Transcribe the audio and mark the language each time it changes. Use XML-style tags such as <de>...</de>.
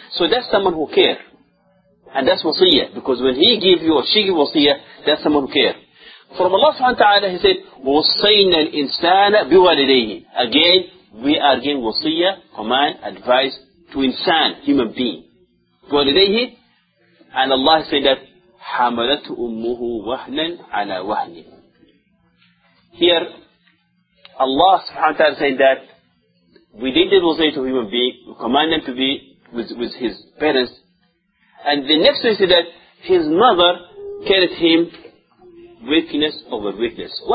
<en>So that's someone who cares. And that's wasiyah. Because when he gives you, or she gives wasiyah, that's someone who cares. From Allah subhanahu wa ta'ala, he said,</en> <ar>وَصَيْنَا الْإِنسَانَ بِوَالِدَيْهِ.</ar> <en>Again, we are giving wasiyah, command, advice, to insan, human being.</en> <ar>وَالِدَيْهِ.</ar> <en>And Allah said that,</en> <ar>حَمَلَتْهُ أُمُّهُ وَهْنًا عَلَى وَهْنِ.</ar> <en>Here, Allah subhanahu wa ta'ala said that, we did the wasiyah to human being, we command them to be with his parents. And the next one said that, his mother carried him weakness over weakness.</en>